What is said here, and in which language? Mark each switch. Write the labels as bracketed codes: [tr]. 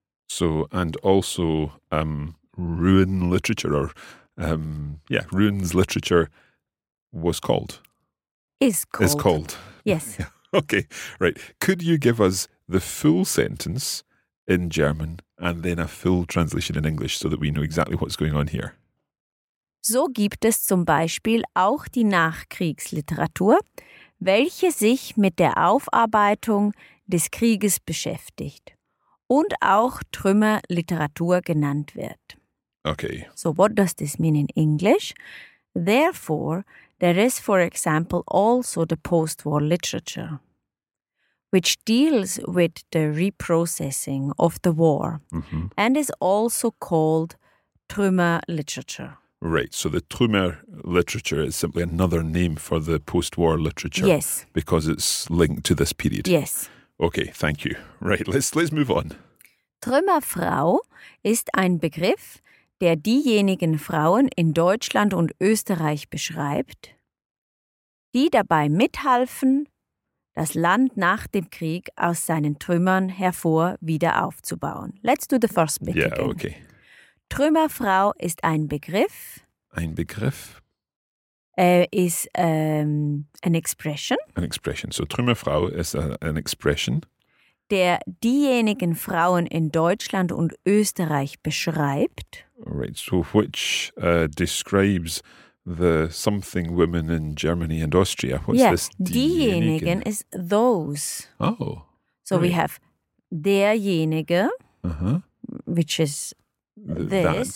[en] So, and also ruin literature or, ruins literature was called. Is called. Yes. Okay, right. Could you give us the full sentence in German and then a full translation in English so that we know exactly what's going on here? [de] So gibt es zum Beispiel auch die Nachkriegsliteratur, welche sich mit der Aufarbeitung des Krieges beschäftigt und auch Trümmerliteratur genannt wird. [en] Okay. So what does this mean in English? Therefore, there is, for example, also the post-war literature, which deals with the reprocessing of the war and is also called Trümmerliteratur. Right, so the Trümmer literature is simply another name for the post-war literature. Yes. Because it's linked to this period. Yes. Okay, thank you. Right, let's move on. [de] Trümmerfrau ist ein Begriff, der diejenigen Frauen in Deutschland und Österreich beschreibt, die dabei mithalfen, das Land nach dem Krieg aus seinen Trümmern hervor wieder aufzubauen. [en] Let's do the first bit again. Yeah, okay. [de] Trümmerfrau ist ein Begriff. Ein Begriff? [en] An expression. An expression. So Trümmerfrau ist an expression. [de] Der diejenigen Frauen in Deutschland und Österreich beschreibt. [en] Right, so which describes the something women in Germany and Austria. What's this? Diejenigen is those. Oh. So we have derjenige, which is this